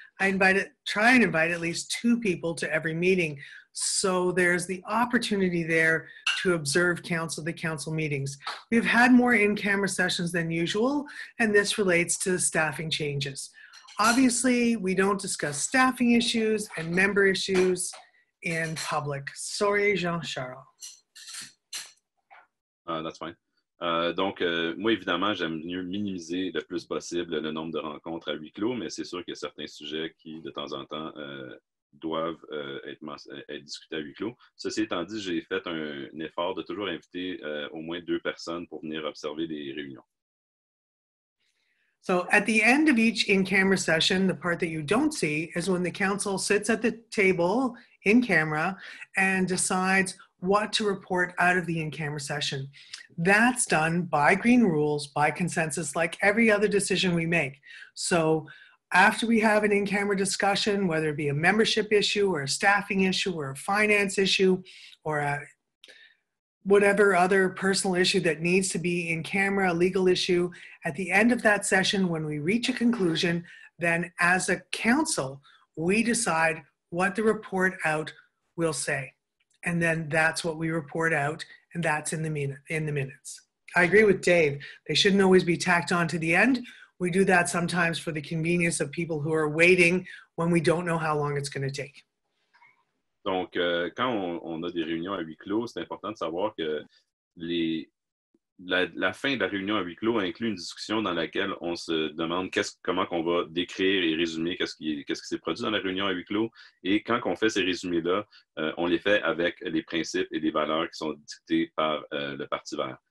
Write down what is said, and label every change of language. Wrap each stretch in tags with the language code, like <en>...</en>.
<en>I try and invite at least two people to every meeting, so there's the opportunity there to observe the council meetings. We've had more in-camera sessions than usual, and this relates to the staffing changes. Obviously, we don't discuss staffing issues and member issues in public. Sorry, Jean-Charles. That's fine.</en> <fr>Donc, moi, évidemment, j'aime mieux minimiser le plus possible le nombre de rencontres à huis clos, mais c'est sûr qu'il y a certains sujets qui, de temps en temps, doivent être discutés à huis clos. Ceci étant dit, j'ai fait un effort de toujours inviter au moins deux personnes pour venir observer des réunions.</fr> <en>So, at the end of each in-camera session, the part that you don't see is when the council sits at the table in camera and decides what to report out of the in-camera session. That's done by green rules, by consensus, like every other decision we make. So after we have an in-camera discussion, whether it be a membership issue or a staffing issue or a finance issue or a whatever other personal issue that needs to be in camera, a legal issue, at the end of that session, when we reach a conclusion, then as a council, we decide what the report out will say. And then that's what we report out, and that's in the minutes. I agree with Dave. They shouldn't always be tacked on to the end. We do that sometimes for the convenience of people who are waiting when we don't know how long it's going to take.</en> <fr>Donc, quand on a des réunions à huis clos, c'est important de savoir que la fin de la réunion à huis clos inclut une discussion dans laquelle on se demande comment qu'on va décrire et résumer qu'est-ce qui s'est produit dans la réunion à huis clos. Et quand on fait ces résumés-là, on les fait avec les principes et les valeurs qui sont dictées par le Parti vert.</fr>